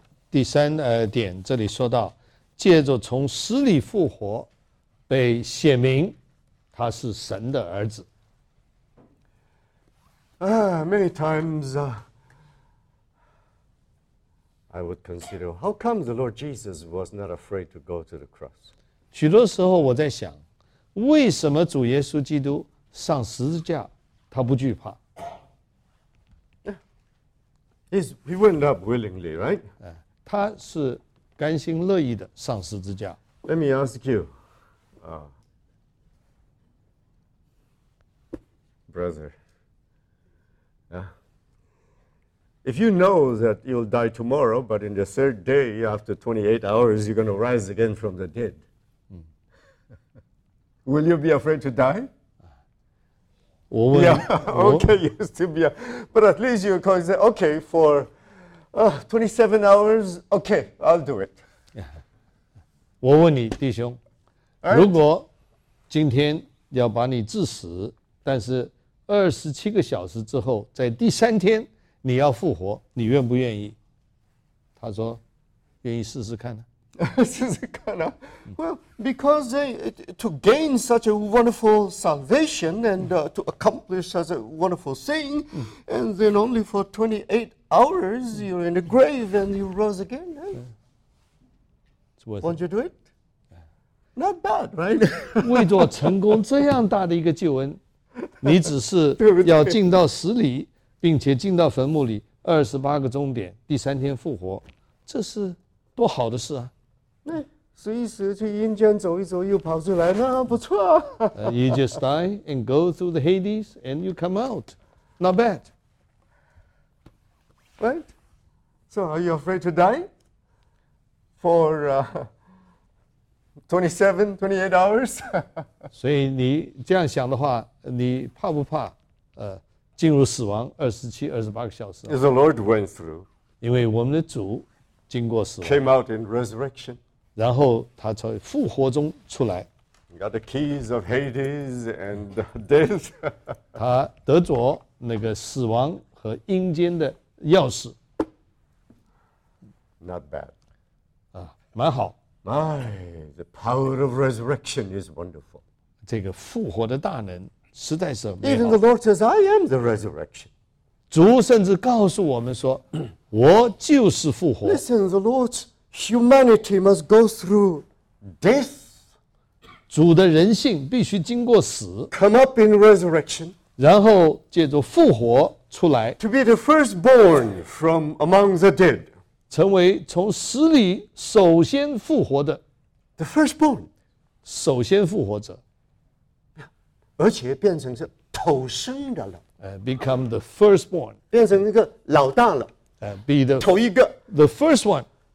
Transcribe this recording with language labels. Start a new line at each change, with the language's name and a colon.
Chinese: 第三点，这里说到，借着从死里复活，被显明他是神的儿子。
English: Many times, I would consider how come the Lord Jesus was not afraid to go to the cross.
Chinese: 许多时候我在想，为什么主耶稣基督上十字架，他不惧怕
English: ？He went up willingly, right?
Chinese: 他是甘心乐意的上十字架。
English: Let me ask you, brother. If you know that you'll die tomorrow, but in the third day after 28 hours, you're going to rise again from the dead, will you be afraid to die?
Chinese: 我问
English: Yeah, okay, you still be. But at least you can say, okay, for 27 hours, okay, I'll do it.
Chinese: 我问你，弟兄，如果今天要把你致死，但是27个小时之后，在第三天。你要复活，你愿不愿意？他说：“愿意试试看呢、啊。” 试试看啊。
English: Well, because they, to gain such a wonderful salvation and to accomplish such a wonderful thing, and then only for 28 hours you're in the grave and you rose again. Won't you do it? Not bad, right?
Chinese: 为做成功这样大的一个救恩，你只是要进到死里。并且进到坟墓里28个钟点，第三天复活，这是多好的事啊！时一时去阴间走一走，又跑出来，那不错。
English: You just die and go through the Hades and you come out. Not bad. Right? So are you afraid to die? For 27, 28 hours?
Chinese: 所以你这样想的话，你怕不怕进入死亡27、28个小时？
English: As the Lord went through.
Chinese: 因为我们的主经过死亡。
English: Came out in resurrection.
Chinese: 然后他从复活中出来。
English: Got the keys of Hades and death.
Chinese: 他得着那个死亡和阴间的钥匙。
English: Not bad.
Chinese: 啊，蛮好。
English: My, the power of resurrection is wonderful.
Chinese: 这个复活的大能实在是美好。
English: Even the Lord says, "I am the resurrection."
Chinese: 主甚至告诉我们说，我就是复活。
English: Listen, the Lord. Humanity must go through death.
Chinese: 主的人性必须经过死。
English: Come up in resurrection.
Chinese: 然后借着复活出来。
English: To be the firstborn from among the dead.
Chinese: 成为从死里首先复活的。
English: The firstborn.
Chinese: 首先复活者。而且变成是头生的了。
English: Become the firstborn.
Chinese: 变成一个老大了。
English: Be the
Chinese: 头一个。
English: The first one.